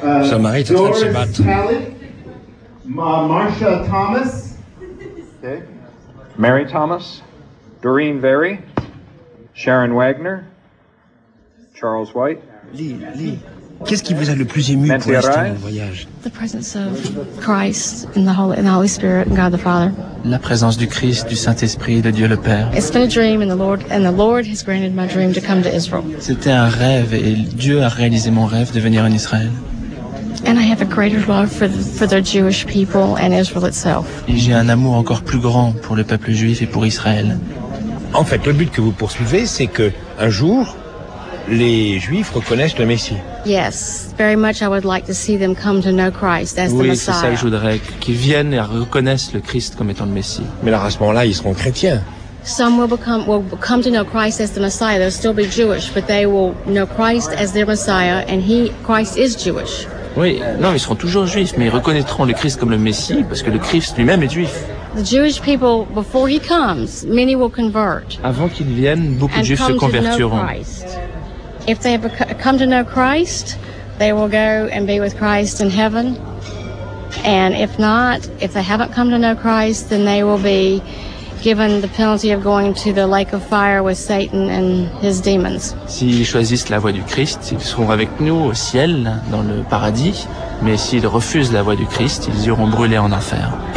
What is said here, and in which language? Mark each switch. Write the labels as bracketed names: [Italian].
[French] Son mari est en train de se battre. Marsha Thomas. Mary Thomas. Doreen Very. Sharon Wagner, Charles White. Lee, qu'est-ce qui vous a le plus ému pour l'instant dans le voyage? [English] The presence of Christ in the Holy, in the Holy Spirit and God the Father. [French] La présence du Christ, du Saint-Esprit, de Dieu le Père. [English] It's been a dream and the Lord has granted my dream to come to Israel. [French] C'était un rêve et Dieu a réalisé mon rêve de venir en Israël. [English] And I have a greater love for the Jewish people and Israel itself. [French] Et j'ai un amour encore plus grand pour le peuple juif et pour Israël. En fait, le but que vous poursuivez, c'est que un jour, les Juifs reconnaissent le Messie. [English] Yes, very much. I would like to see them come to know Christ as the Messiah. [French] Oui, c'est ça que je voudrais, qu'ils viennent et reconnaissent le Christ comme étant le Messie. Mais alors à ce moment-là, ils seront chrétiens. [English] Some will come to know Christ as the Messiah. They'll still be Jewish, but they will know Christ as their Messiah, and Christ is Jewish. [French] Oui, non, ils seront toujours juifs, mais ils reconnaîtront le Christ comme le Messie, parce que le Christ lui-même est juif. [English] The Jewish people, before he comes, many will convert. [French] Avant qu'il vienne, beaucoup de juifs se convertiront. [English] If they have come to know Christ, they will go and be with Christ in heaven. And if not, if they haven't come to know Christ, then they will be given the penalty of going to the lake of fire with Satan and his demons. [French] S'ils choisissent la voie du Christ, ils seront avec nous au ciel, dans le paradis. Mais s'ils refusent la voie du Christ, ils iront brûler en enfer.